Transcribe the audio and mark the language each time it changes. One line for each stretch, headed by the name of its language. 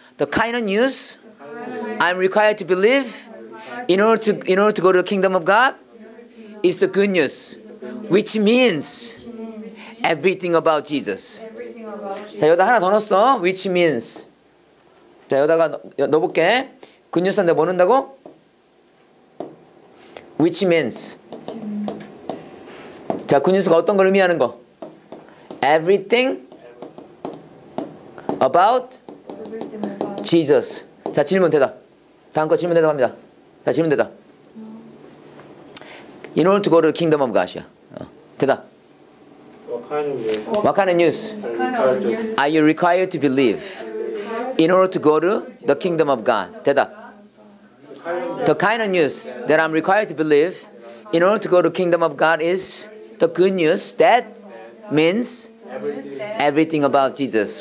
English: The kind of news I'm required to believe in order to go to the kingdom of God is the good news, which means everything about Jesus.
Korean: 자, 여기다 하나 더 넣었어.
English: Which means.
Korean: 자, 여기다가 넣어볼게. Good news 한데 뭐 넣는다고?
English: Which means.
Korean: 자, good news가 어떤 걸 의미하는 거?
English: Everything about Jesus.
Korean: 자, 질문 대답. 다음 거 질문 대답합니다. 자, 질문 대답.
English: In order to go to the kingdom of God.
Korean: 대답.
English: What kind of news are you required to believe in order to go to the kingdom of God?
Korean: 대답.
English: The kind of news that I'm required to believe in order to go to the kingdom of God is the good news that means everything about Jesus.